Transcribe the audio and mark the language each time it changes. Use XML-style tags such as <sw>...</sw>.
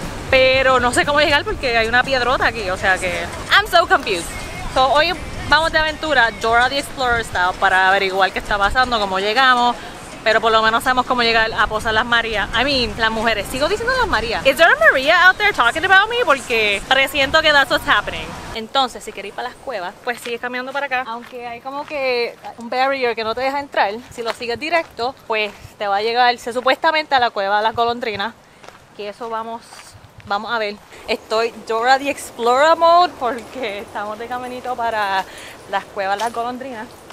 <es>Pero no sé cómo llegar porque hay una piedrota aquí, o sea que...</es> <en>I'm so confused.</en> <es>So, hoy vamos de aventura, Dora the Explorer style, para averiguar qué está pasando, cómo llegamos. Pero por lo menos sabemos cómo llegar a Pozo Las Marías.</es> <en>I mean,</en> <es>las mujeres. Sigo diciendo Las Marías.</es> <en>Is there a Maria out there talking about me?</en> <es>Porque presiento que</es> <en>that's what's happening.</en> <es>Entonces, si queréis ir para las cuevas, pues sigue caminando para acá. Aunque hay como que un barrier que no te deja entrar. Si lo sigues directo, pues te va a llegar, supuestamente, a la cueva de las golondrinas. Que eso vamos... Vamos a ver, estoy Dora the Explorer mode porque estamos de caminito para las cuevas las golondrinas.</es>